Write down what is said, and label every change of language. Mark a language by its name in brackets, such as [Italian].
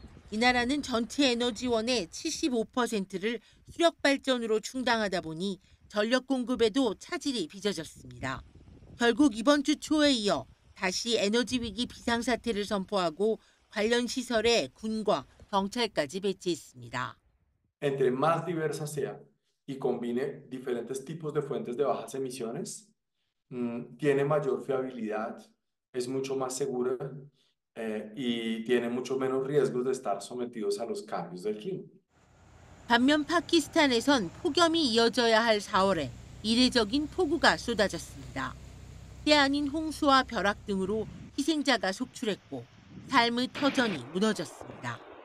[Korean] 이 나라는 전체 에너지원의 75%를 수력발전으로 충당하다 보니 전력 공급에도 차질이 빚어졌습니다. 결국 이번 주 초에 이어 다시 에너지 위기 비상사태를 선포하고 관련 시설에 군과 경찰까지 배치했습니다. [Spanish] Entre más diversa sea y combine diferentes tipos de fuentes de bajas emisiones, tiene mayor fiabilidad, es mucho más segura y tiene mucho menos riesgos de estar sometidos a los cambios del clima. [Korean] 반면 파키스탄에선 폭염이 이어져야 할 4월에 이례적인 폭우가 쏟아졌습니다. 때 아닌 홍수와 벼락 등으로 희생자가 속출했고 삶의 터전이 무너졌습니다.